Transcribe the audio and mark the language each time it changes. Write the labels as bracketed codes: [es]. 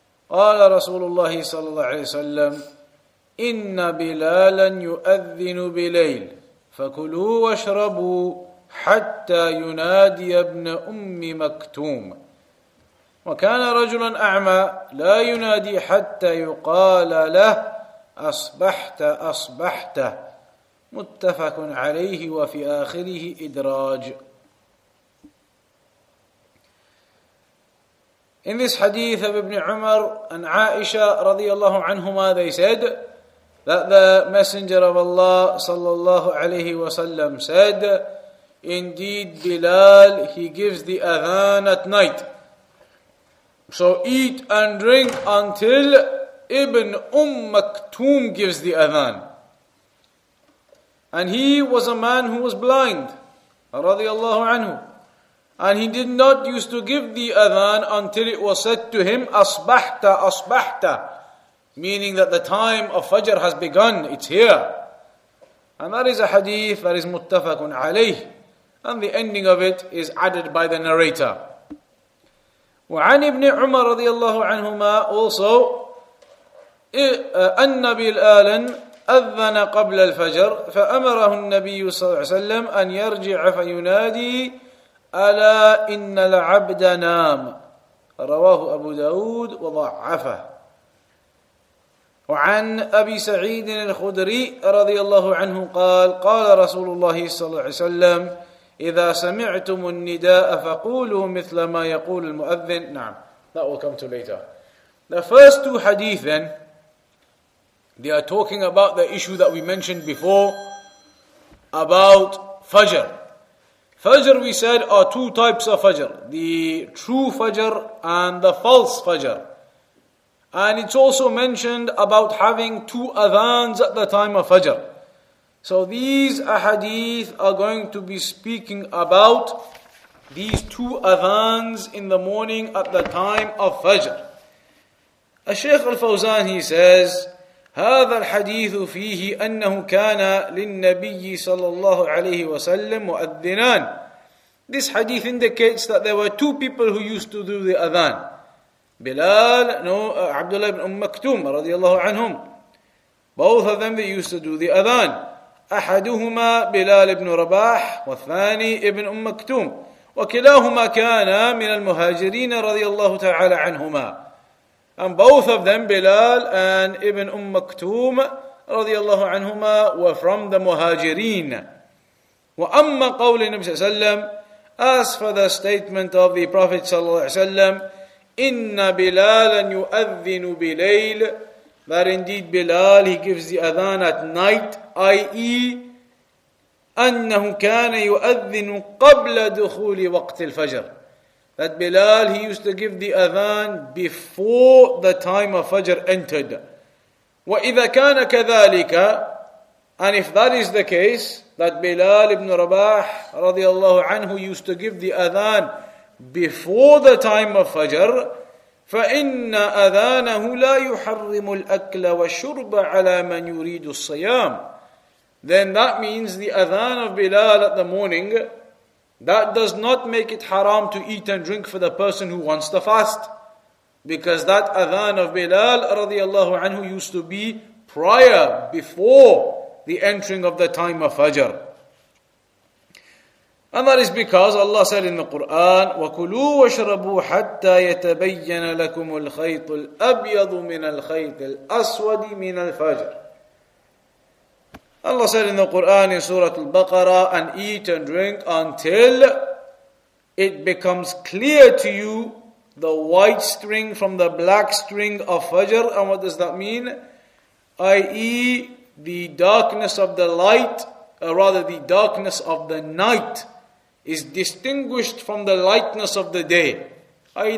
[ar] قال رسول الله صلى الله عليه وسلم إن بلالا يؤذن بليل فكلوا واشربوا حتى ينادي ابن أم مكتوم وكان رجلا أعمى لا ينادي حتى يقال له أصبحت أصبحت متفق عليه وفي آخره إدراج. [en] In this hadith of Ibn Umar and Aisha radiyallahu anhuma, they said that the Messenger of Allah sallallahu alayhi wa sallam said, indeed Bilal, he gives the adhan at night. So eat and drink until Ibn Maktoum gives the adhan. And he was a man who was blind, radiyallahu anhu. And he did not used to give the adhan until it was said to him, asbahta, asbahta, meaning that the time of Fajr has begun, it's here. And that is a hadith that is muttafaqun alayh. And the ending of it is added by the narrator. [ar] وعن ابن عمر رضي الله عنهما [en] also, [ar] النبي الآلن أذن قبل الفجر فأمره النبي صلى الله عليه وسلم أن يرجع فينادي ألا إن العبد نام رواه أبو داود وضعفه. وعن أبي سعيد الخدري رضي الله عنه قال قال رسول الله صلى الله عليه وسلم إذا سمعتم النداء فقولوا مثل ما يقول المؤذن. نعم. [en] That will come to later. The first two hadith then, they are talking about the issue that we mentioned before about Fajr. Fajr, we said, are two types of Fajr. The true Fajr and the false Fajr. And it's also mentioned about having two adhans at the time of Fajr. So these ahadith are going to be speaking about these two adhans in the morning at the time of Fajr. [ar] الشيخ الفوزان, [en] he says, [ar] هذا الحديث فيه أنه كان للنبي صلى الله عليه وسلم مؤذنان. [en] This hadith indicates that there were two people who used to do the adhan. Bilal, Abdullah ibn Maktoum, radiallahu anhum. Both of them, they used to do the adhan. [ar] أحدهما بلال ابن رباح والثاني ابن مكتوم وكلاهما كانا من المهاجرين رضي الله تعالى عنهما. [en] And both of them, Bilal and Ibn Maktoum, [ar] رضي الله عنهما, [en] were from the Muhajirin. [ar] وأما قول النبي صلى الله عليه وسلم, [en] as for the statement of the Prophet صلى الله عليه وسلم, [ar] إن بلالا يؤذن بليل, [en] that indeed Bilal, he gives the adhan at night, i.e. [ar] أنه كان يؤذن قبل دخول وقت الفجر. [en] That Bilal, he used to give the adhan before the time of Fajr entered. [ar] وَإِذَا كَانَ كَذَٰلِكَ, [en] and if that is the case, that Bilal ibn Rabah رضي الله عنه used to give the adhan before the time of Fajr, [ar] فَإِنَّ أَذَانَهُ لَا يُحَرِّمُ الْأَكْلَ وَالشُّرْبَ عَلَى مَنْ يُرِيدُ الصَّيَامِ. [en] Then that means the adhan of Bilal at the morning, that does not make it haram to eat and drink for the person who wants to fast. Because that adhan of Bilal radiallahu anhu used to be prior, before the entering of the time of Fajr. And that is because Allah said in the Quran, [ar] وَكُلُوا وَشْرَبُوا حَتَّى يَتَبَيَّنَ لَكُمُ الْخَيْطُ الْأَبْيَضُ مِنَ الْخَيْطِ الْأَسْوَدِ مِنَ الْفَجْرِ. [en] Allah said in the Quran in Surah Al-Baqarah, and eat and drink until it becomes clear to you the white string from the black string of Fajr. And what does that mean? I.e. the darkness of the light, or rather the darkness of the night, is distinguished from the lightness of the day. I.e.